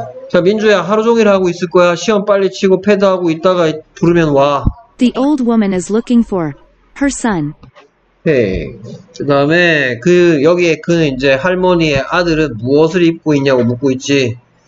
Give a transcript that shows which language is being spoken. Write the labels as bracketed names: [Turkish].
[Korean] 자, 민주야, 하루 종일 하고 있을 거야. 시험 빨리 치고 패드 하고 있다가 부르면 와. [English] The old woman is looking for her son. [Korean] 오케이. 그 다음에 그 여기에 그 이제 할머니의 아들은 무엇을 입고 있냐고 묻고 있지.